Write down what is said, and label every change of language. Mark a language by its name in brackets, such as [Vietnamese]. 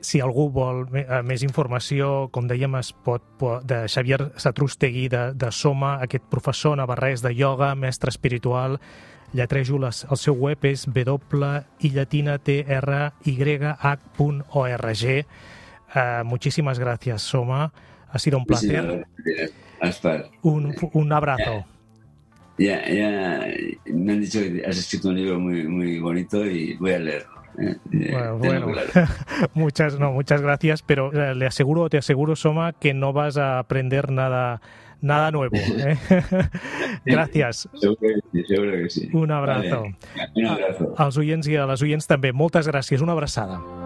[Catalan] Si algú vol més informació, com dèiem, es pot de Xavier Satrústegui de Soma, aquest professor navarrès de ioga, mestre espiritual, lletrejo el seu web, és www.ilatinatryh.org. Moltíssimes gràcies, Soma. [Spanish] Ha sido un placer. Un abrazo. Ya me han dicho que has escrito un libro muy, muy bonito y voy a leerlo. Bueno, claro. muchas gracias, pero te aseguro, Soma, que no vas a aprender nada nuevo, ¿eh? Gracias. Seguro que sí. Un abrazo. Vale. Un abrazo. [Catalan] Als oients i a les oients també, moltes gràcies, una abraçada.